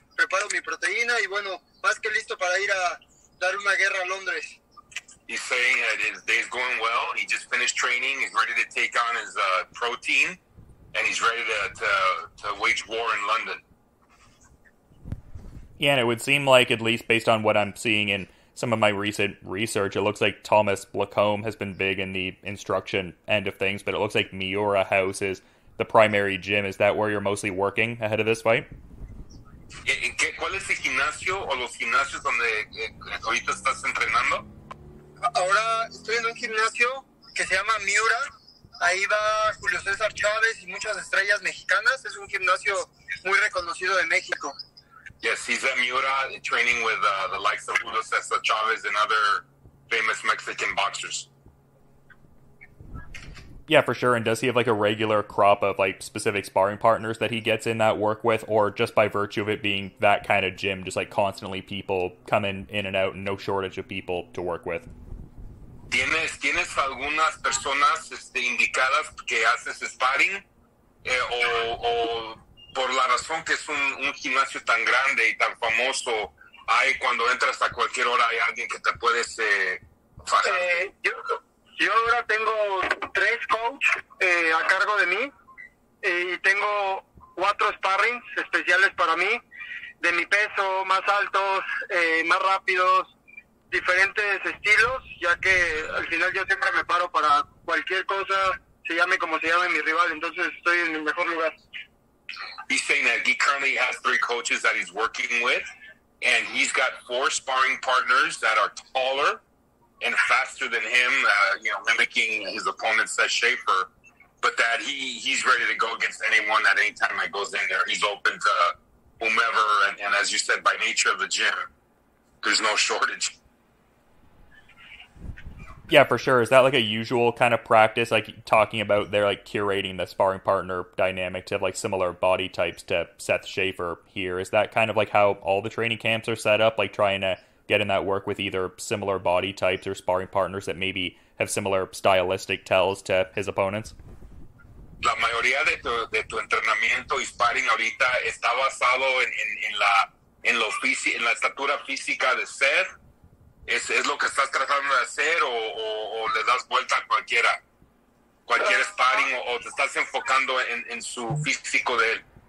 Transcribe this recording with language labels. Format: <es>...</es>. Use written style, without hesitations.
<es>Preparo mi proteína y bueno, más que listo para ir a dar una guerra a Londres.</es> <en>He's saying that his day is going well. He just finished training. He's ready to take on his protein, and he's ready to wage war in London. Yeah, and it would seem like, at least based on what I'm seeing in some of my recent research, it looks like Thomas Blacombe has been big in the instruction end of things, but it looks like Miura House is the primary gym. Is that where you're mostly working ahead of this fight?</en> <es>¿Cuál es el gimnasio o los gimnasios donde ahorita estás entrenando? Ahora estoy en un gimnasio que se llama Miura. Ahí va Julio César Chávez y muchas estrellas mexicanas. Es un gimnasio muy reconocido de México.</es> <en>Yes, he's at Miura training with the likes of Julio César Chávez and other famous Mexican boxers. Yeah, for sure. And does he have like a regular crop of like specific sparring partners that he gets in that work with, or just by virtue of it being that kind of gym, just like constantly people coming in and out and no shortage of people to work with?</en> <es>¿Tienes algunas personas indicadas que haces sparring? O por la razón que es un gimnasio tan grande y tan famoso, hay cuando entras a cualquier hora hay alguien que te puedes pasar? Yo ahora tengo tres coaches a cargo de mí y tengo cuatro sparrings especiales para mí, de mi peso, más altos, más rápidos, diferentes estilos, ya que al final yo siempre me paro para cualquier cosa, se llame como se llame mi rival, entonces estoy en mi mejor lugar.</es> <en>He's saying that he currently has three coaches that he's working with, and he's got four sparring partners that are taller and faster than him, mimicking his opponent, Seth Shaffer, but that he's ready to go against anyone at any time that goes in there. He's open to whomever, and as you said, by nature of the gym, there's no shortage. Yeah, for sure. Is that like a usual kind of practice, like talking about they're like curating the sparring partner dynamic to have like similar body types to Seth Shaffer here? Is that kind of like how all the training camps are set up, like trying to get in that work with either similar body types or sparring partners that maybe have similar stylistic tells to his opponents?</en> <es>La mayoría de tu entrenamiento y sparring ahorita está basado en la estatura física de Seth. ¿Es lo que estás tratando de hacer o le das vuelta a cualquier sparring o te estás enfocando en su físico de él?</es>